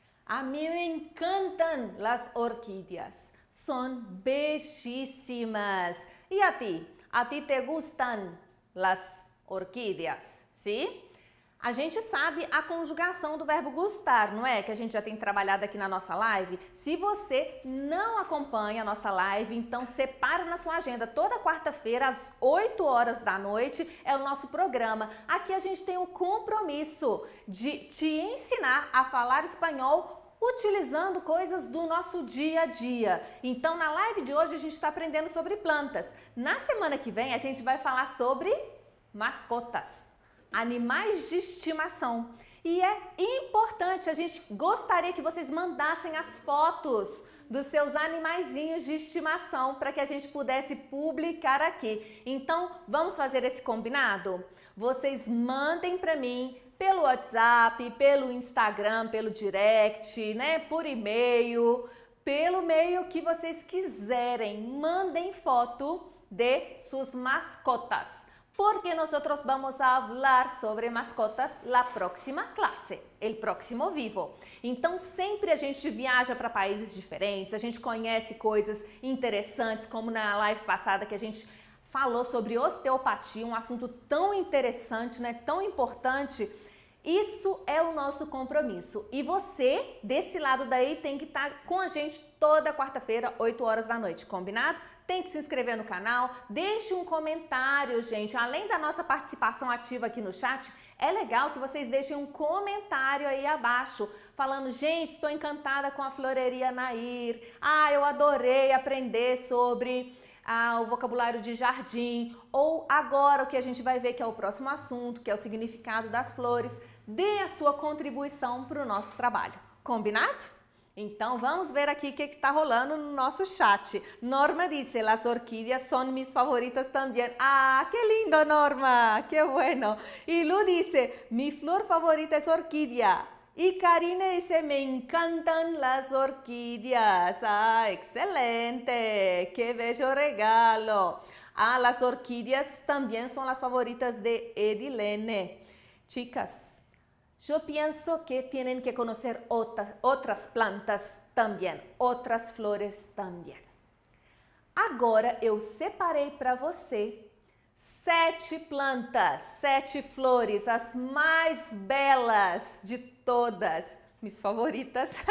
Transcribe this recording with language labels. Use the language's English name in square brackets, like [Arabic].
[Spanish] A mí me encantan las orquídeas, son bellísimas. ¿Y a ti? ¿A ti te gustan las orquídeas? ¿Sí? [Portuguese] A gente sabe a conjugação do verbo gustar, não é? Que a gente já tem trabalhado aqui na nossa live. Se você não acompanha a nossa live, então separa na sua agenda. Toda quarta-feira, às 8 horas da noite, é o nosso programa. Aqui a gente tem o compromisso de te ensinar a falar espanhol utilizando coisas do nosso dia a dia. Então, na live de hoje, a gente está aprendendo sobre plantas. Na semana que vem, a gente vai falar sobre mascotas. Animais de estimação. E é importante, a gente gostaria que vocês mandassem as fotos dos seus animaizinhos de estimação para que a gente pudesse publicar aqui. Então, vamos fazer esse combinado? Vocês mandem para mim pelo WhatsApp, pelo Instagram, pelo direct, né? Por e-mail, pelo meio que vocês quiserem. Mandem foto de suas mascotas. [Spanish] Porque nosotros vamos a hablar sobre mascotas la próxima clase, el próximo vivo. [Portuguese] Então, sempre a gente viaja para países diferentes, a gente conhece coisas interessantes, como na live passada que a gente falou sobre osteopatia, um assunto tão interessante, né, tão importante. Isso é o nosso compromisso. E você, desse lado daí, tem que estar com a gente toda quarta-feira, 8 horas da noite, combinado? Tem que se inscrever no canal, deixe um comentário, gente. Além da nossa participação ativa aqui no chat, é legal que vocês deixem um comentário aí abaixo, falando, gente, estou encantada com a Floreria Nair. Ah, eu adorei aprender sobre o vocabulário de jardim. Ou agora, o que a gente vai ver que é o próximo assunto, que é o significado das flores. Dê a sua contribuição para o nosso trabalho. Combinado? Então, vamos ver aqui o que está rolando no nosso chat. [Spanish] Norma [Portuguese] disse, [Spanish] las orquídeas son mis favoritas también. Ah, que lindo, Norma! Que bueno! [Portuguese] E Lu disse, [Spanish] mi flor favorita es orquídea. [Portuguese] E Karina disse, [Spanish] me encantan las orquídeas. Ah, excelente! Que bello regalo! Ah, las orquídeas también son las favoritas de Edilene. Chicas, yo pienso que tienen que conocer otras plantas también, otras flores también. [Portuguese] Agora eu separei para você 7 plantas, 7 flores, as mais belas de todas, minhas favoritas.